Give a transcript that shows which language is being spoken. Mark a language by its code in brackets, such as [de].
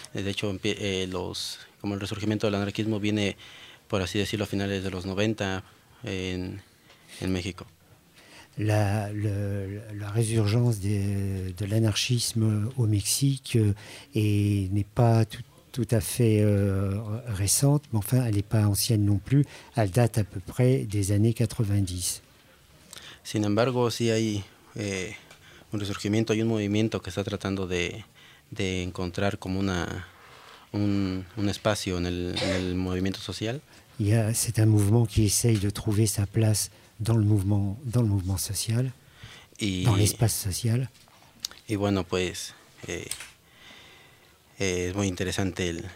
[es] De hecho, como el resurgimiento del anarquismo viene, por así decirlo, a finales de los 90 en México. [fr] La resurgence de l'anarchisme au Mexique n'est pas tout à fait récente, mais enfin, elle n'est pas ancienne non plus. Elle date à peu près des années 90. [es] Sin embargo, sí hay un resurgimiento, hay un movimiento que está tratando de encontrar como un espacio en el movimiento social. [fr] C'est un mouvement qui essaye de trouver sa place dans le mouvement social, dans l'espace social. [es] Y bueno, pues es muy interesante